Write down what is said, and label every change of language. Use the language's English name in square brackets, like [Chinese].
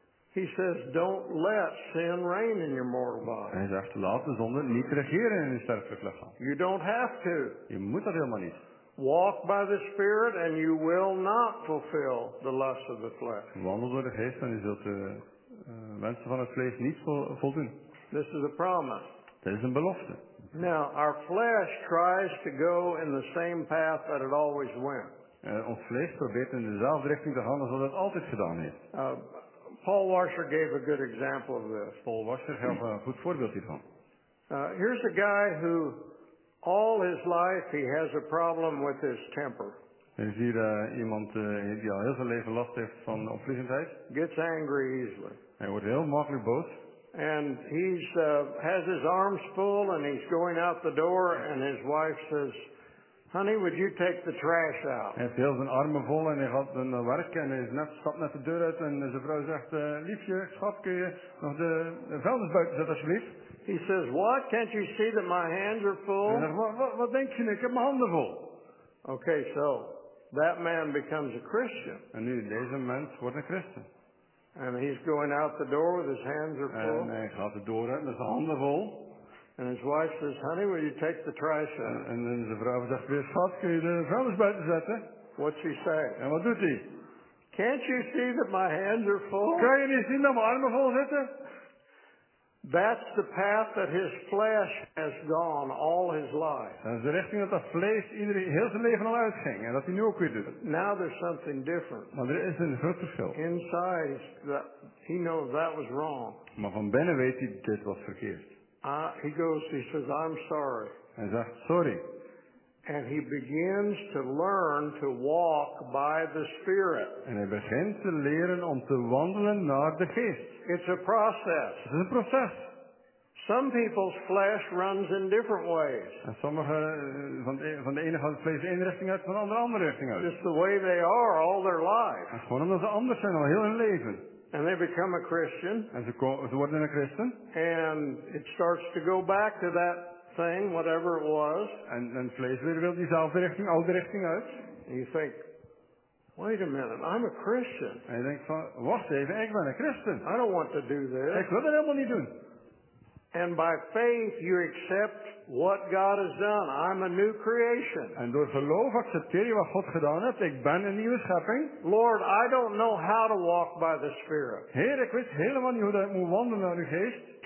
[English] He says, "Don't let sin reign in your mortal body." [Dutch] Hij zegt: laat de zonde niet regeren in je sterfelijk lichaam. [English] You don't have to. [Dutch] Je moet dat helemaal niet. [English] Walk by the Spirit and you will not fulfill the lust of the flesh. [Dutch] Wandel door de geest en je zult de wensen van het vlees niet voldoen. [English] This is a promise. [Dutch] Dit is een belofte. [English] Now, our flesh tries to go in the same path that it always went. [Dutch] Ons vlees probeert in dezelfde richting te handelen zoals het altijd gedaan heeft. [English] Paul Washer gave a good example of this. [Dutch] Paul Washer gaf een goed voorbeeld hiervan. [English] Here's a guy who all his life he has a problem with his temper. [Dutch] Is hier iemand die al heel zijn leven last heeft van opvliegendheid? [English] Gets angry easily. [Dutch] Hij wordt heel makkelijk boos. [English] And he's has his arms full and he's going out the door and his wife says, "Honey, would you take the trash out?" [Dutch] Hij heeft zijn armen vol en hij gaat naar werk en hij stapt net de deur uit en zijn vrouw zegt, "Liefje, schat, kun je nog de vuilnis buiten zetten alsjeblieft?" [English] He says, "What? Can't you see that my hands are full?" [Dutch] En wat denk je? Ik heb mijn handen vol. [English] Okay, so that man becomes a Christian. [Dutch] En nu deze mens wordt een Christen. [English] And he's going out the door with his hands are full. [Dutch] En hij gaat de deur uit met zijn handen vol. [English] And his wife says, "Honey, will you take the trash out?" [Dutch] En dan zijn vrouw zegt weer, "Schat, kun je de vuilnis buiten zetten?" [English] What's she say? [Dutch] En wat doet hij? [English] "Can't you see that my hands are full?" [Dutch] Kan je niet zien dat mijn armen vol zitten? [English] That's the path that his flesh has gone all his life. [Dutch] Dat is de richting dat dat vlees heel zijn leven al uitging en dat hij nu ook weer doet. [English] Now there's something different. [Dutch] Maar er is een groot verschil. [English] Inside, he knows that was wrong. [Dutch] Maar van binnen weet hij dit was verkeerd. [English] He says, "I'm sorry." [Dutch] Hij zegt sorry. [English] And he begins to learn to walk by the Spirit. [Dutch] En hij begint te leren om te wandelen naar de Geest. [English] It's a process. [Dutch] Het is een proces. [English] Some people's flesh runs in different ways. [Dutch] En sommige van de ene gaat het vlees één richting uit, van de andere richting uit. [English] Just the way they are all their life. [Dutch] Dat is gewoon omdat ze anders zijn al heel hun leven. [English] And they become a Christian. [Dutch] En ze worden een Christen. [English] And it starts to go back to that thing, whatever it was. [Dutch] En het vlees weer wil diezelfde richting, oude richting uit. [English] And you think, "Wait a minute, I'm a Christian." [Dutch] En je denkt van, wacht even, ik ben een Christen. [English] "I don't want to do this." [Dutch] Ik wil dat helemaal niet doen. [English] And by faith you accept what God has done. I'm a new creation. [Dutch] En door geloof accepteer je wat God gedaan heeft. Ik ben een nieuwe schepping. [English] "Lord, I don't know how to walk by the Spirit." [Dutch] Heer, ik weet helemaal niet hoe ik moet wandelen naar uw geest.